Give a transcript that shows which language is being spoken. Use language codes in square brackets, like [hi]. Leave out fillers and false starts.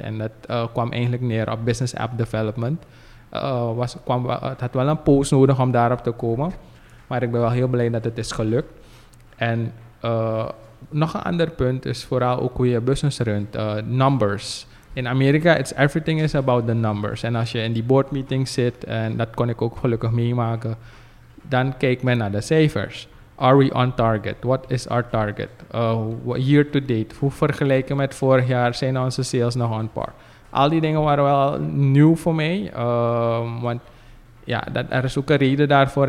[nl] En dat kwam eigenlijk neer op business app development. Het had wel een poos nodig om daarop te komen. Maar ik ben wel heel blij dat het is gelukt. En nog een ander punt is vooral ook hoe je business runt. Numbers. In Amerika, [en] it's everything is about the numbers. [nl] En als je in die board meeting zit, en dat kon ik ook gelukkig meemaken, dan kijkt men naar de cijfers. [en] Are we on target? What is our target? Year to date, [nl] hoe vergelijken met vorig jaar, zijn onze sales nog on par? Al die dingen waren wel nieuw voor mij, want ja, dat, er is ook een reden daarvoor.